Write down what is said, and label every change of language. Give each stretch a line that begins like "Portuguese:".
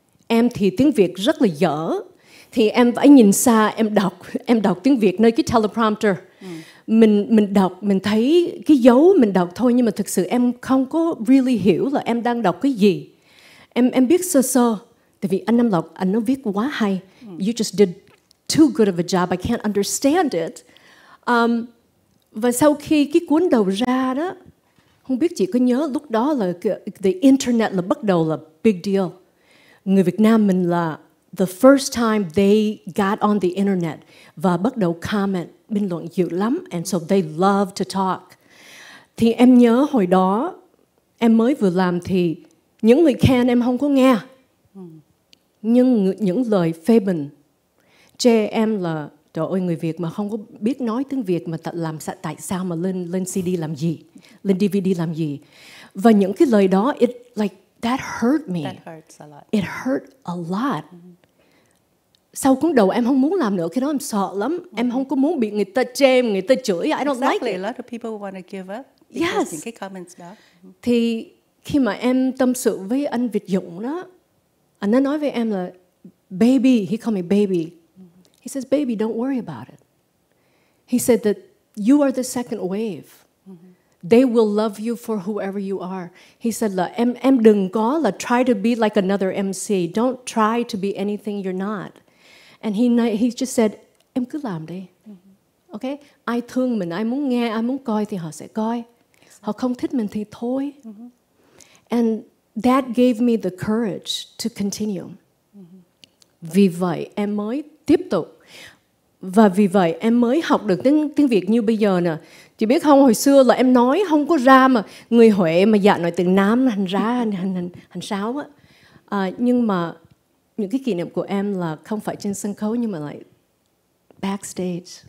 Vietnamese: Em thì tiếng Việt rất là dở. Thì em phải nhìn xa, em đọc tiếng Việt nơi cái teleprompter. Mình đọc, mình thấy cái dấu mình đọc thôi. Nhưng mà thực sự em không có really hiểu là em đang đọc cái gì. Em biết sơ sơ. Tại vì anh Nam Lộc, anh nó viết quá hay.
English: You just did too good of a job. I can't understand it.
Vietnamese: Và sau khi cái cuốn đầu ra đó, không biết chị có nhớ lúc đó là the internet là bắt đầu là big deal. Người Việt Nam mình là the first time they got on the internet và bắt đầu comment, bình luận dữ lắm. And so they love to talk. Thì em nhớ hồi đó, em mới vừa làm thì những người khen em không có nghe. Nhưng những lời phê bình, chê em là trời ơi người Việt mà không có biết nói tiếng Việt mà tại sao mà lên CD làm gì, lên DVD làm gì. Và những cái lời đó, it like that hurt me.
English: That hurts a lot. It hurt a lot.
Vietnamese: Sau cuốn đầu em không muốn làm nữa, cái đó em sợ lắm. Em không có muốn bị người ta chê, người ta chửi.
English: I don't exactly. Like it. A lot of people want to give up. Yes.
Vietnamese: Cái comments đó. Thì khi mà em tâm sự với anh Việt Dũng đó, anh ấy nói với em là baby, he called me baby. He
English: says, baby, don't worry about it. He said that you are the second wave. Mm-hmm. They will love you for whoever you are. He said, em đừng có là try to be like another MC. Don't try to be anything you're not. And he just said, em cứ làm đi. Okay?
Vietnamese: Ai thương mình, ai muốn nghe, ai muốn coi thì họ sẽ coi. Họ không thích mình thì thôi. Mm-hmm.
English: And that gave me the courage to continue.
Vietnamese: Mm-hmm. Vì vậy, em mới tiếp tục. Và vì vậy, em mới học được tiếng Việt như bây giờ nè. Chị biết không, hồi xưa là em nói không có ra mà. Người Huệ mà dạ nói từ Nam hành ra, hành sáo á. Nhưng mà những cái kỷ niệm của em là không phải trên sân khấu nhưng mà lại backstage.